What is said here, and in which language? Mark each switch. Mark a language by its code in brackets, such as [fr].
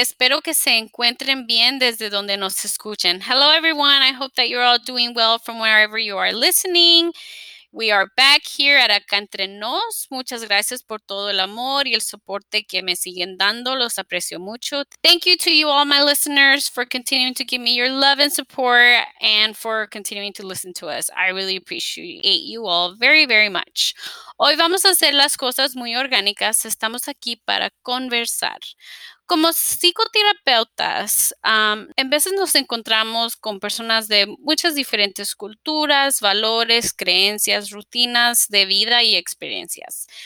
[es] Espero que se encuentren bien desde donde nos escuchen. [en] Hello, everyone. I hope that you're all doing well from wherever you are listening. We are back here at Acá Entre Nos. [es] Muchas gracias por todo el amor y el soporte que me siguen dando. Los aprecio mucho. [en] Thank you to you all, my listeners, for continuing to give me your love and support and for continuing to listen to us. I really appreciate you all very, very much. [es] Hoy vamos a hacer las cosas muy orgánicas. Estamos aquí para conversar. Como psicoterapeutas, en veces nos encontramos con personas de muchas diferentes culturas, valores, creencias, rutinas de vida y experiencias.